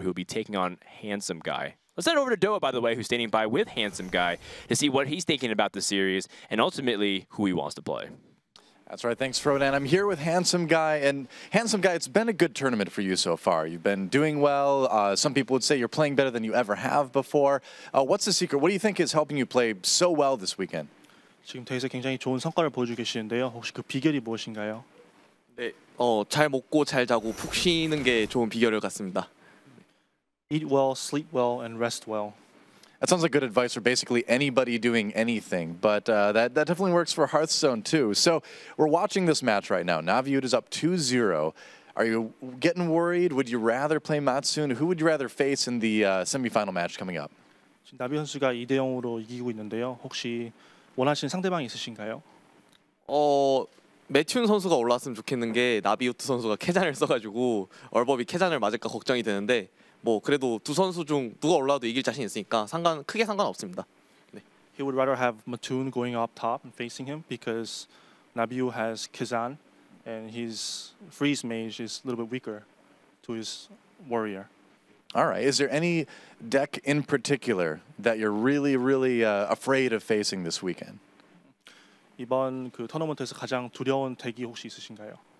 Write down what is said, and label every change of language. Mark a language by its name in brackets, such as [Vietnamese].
[English] He'll be taking on Handsome Guy. Let's head over to Doa, by the way, who's standing by with Handsome Guy, to see what he's thinking about the series and ultimately who he wants to play. That's right. Thanks, Frodan. I'm here with Handsome Guy. And Handsome Guy, it's been a good tournament for you so far. You've been doing well. Some people would say you're playing better than you ever have before. What's the secret? What do you think is helping you play so well this weekend? [Korean] 지금 대회에서 굉장히 좋은 성과를 보여주고 계시는데요. 혹시 그 비결이 무엇인가요? 네, 잘 먹고 잘 자고 푹 쉬는 게 좋은 비결을 같습니다. [English] Eat well, sleep well, and rest well. That sounds like good advice for basically anybody doing anything, but that definitely works for Hearthstone too. So we're watching this match right now. NaviOOT is up 2-0. Are you getting worried? Would you rather play mattun? Who would you rather face in the semifinal match coming up? [Korean] 지금 나비 선수가 2-0으로 이기고 있는데요. 혹시 원하시는 상대방이 있으신가요? 매튠 선수가 올라왔으면 좋겠는 게 나비오트 선수가 캐잔을 써가지고 얼버비 캐잔을 맞을까 걱정이 되는데 뭐 그래도 두 선수 중 누가 올라와도 이길 자신 있으니까 크게 상관없습니다. 네. [English] He would rather have Mattun going up top and facing him because Nabiu has Kazan and his freeze mage is a little bit weaker to his warrior. Alright, is there any deck in particular that you're really, really afraid of facing this weekend? [Korean] 이번 그 토너먼트에서 가장 두려운 덱이 혹시 있으신가요?